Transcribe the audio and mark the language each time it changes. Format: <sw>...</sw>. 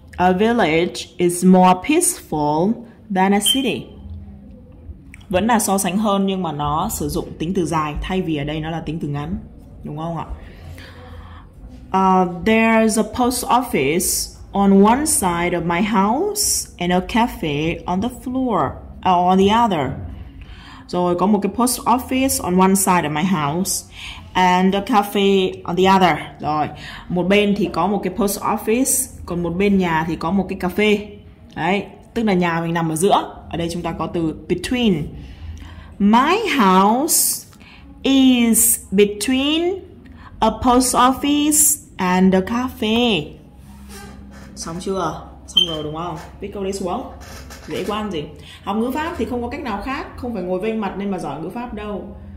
<en>A village is more peaceful than a city.</en> <vi>Vẫn là so sánh hơn nhưng mà nó sử dụng tính từ dài thay vì ở đây nó là tính từ ngắn. Đúng không ạ?</vi> <en>There's a post office on one side of my house and a cafe on the floor, on the other.</en> <vi>Rồi có một cái</vi> <en>post office on one side of my house and a cafe on the other.</en> <vi>Rồi, một bên thì có một cái post office, còn một bên nhà thì có một cái cà phê. Đấy, tức là nhà mình nằm ở giữa. Ở đây chúng ta có từ between.</vi> <en>My house is between a post office and a cafe.</en> <vi>Xong chưa? Xong rồi đúng không? Viết câu đấy xuống. Dễ quan gì? Học ngữ pháp thì không có cách nào khác, không phải ngồi vênh mặt nên mà giỏi ngữ pháp đâu.</vi>